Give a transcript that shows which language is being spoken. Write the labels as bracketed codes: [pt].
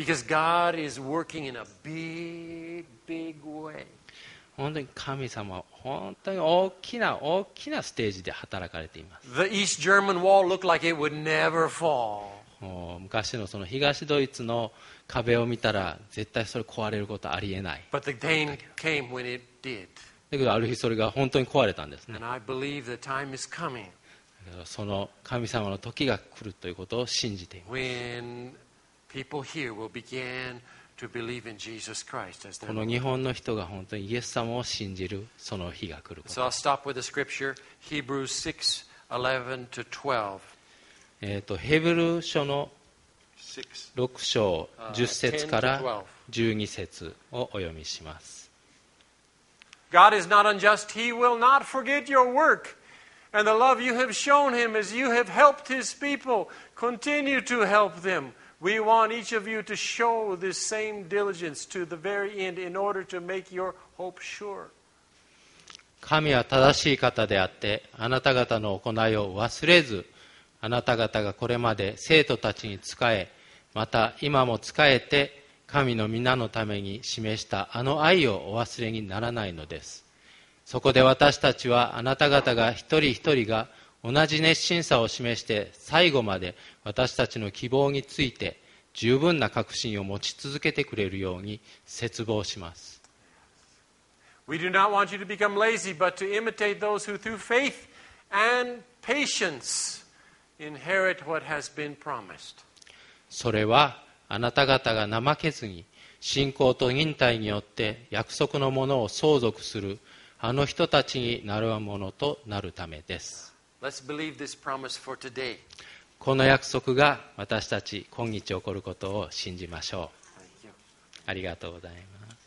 [en] Because God is working in a big, big way. [ja] 本当に神様は本当に大きな大きなステージで働かれています。 [en] The East German wall looked like it would never fall. [ja] 昔のその東ドイツの壁を見たら絶対それ壊れることありえない。 [en] But the day came when it did. [ja] だけどある日それが本当に壊れたんですね。 [en] And I believe the time is coming. [ja] その神様の時が来るということを信じています。 [en] When people here will begin to believe in Jesus Christ as their [ja] この日本の人が本当にイエス様を信じるその日が来ること。 [en] So I'll stop with the scripture, Hebrews 6:11 to 12. [ja] ヘブル書の6章10節から12節をお読みします。 [en] God is not unjust, He will not forget your work. And the love you have shown him as you have helped his people, continue to help them. We want each of you to show this same diligence to the very end in order to make your hope sure. [ja] 神は正しい方であって、あなた方の行いを忘れず、あなた方がこれまで生徒たちに仕え、また今も仕えて、神の皆のために示したあの愛をお忘れにならないのです。そこで私たちはあなた方が一人一人が同じ熱心さを示して最後まで私たちの希望について十分な確信を持ち続けてくれるように切望します。 [en] We do not want you to become lazy, but to imitate those who through faith and patience inherit what has been promised. [ja] それはあなた方が怠けずに信仰と忍耐によって約束のものを相続するあの人たちになるものとなるためです。 [en] Let's believe this promise for today. [ja] この約束が私たち今日起こることを信じましょう。ありがとうございます。